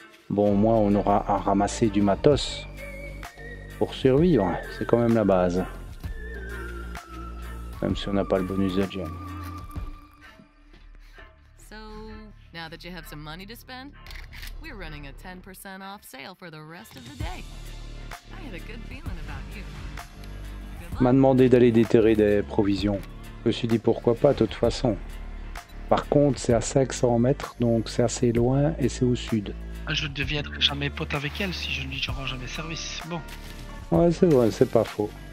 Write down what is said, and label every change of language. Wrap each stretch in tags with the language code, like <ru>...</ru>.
<fr>Bon, au moins, on aura à ramasser du matos pour survivre. C'est quand même la base. Même si on n'a pas le bonus de Jen.</fr> <en>So, now that you have some money to spend, we're running a 10% off sale for the rest of the day. I had a good feeling about you.</en> <fr>M'a demandé d'aller déterrer des provisions. Je me suis dit pourquoi pas, de toute façon. Par contre, c'est à 500 mètres, donc c'est assez loin et c'est au sud. Je ne deviendrai jamais pote avec elle si je ne lui rends jamais service. Bon. Ouais, c'est vrai, c'est pas faux.</fr>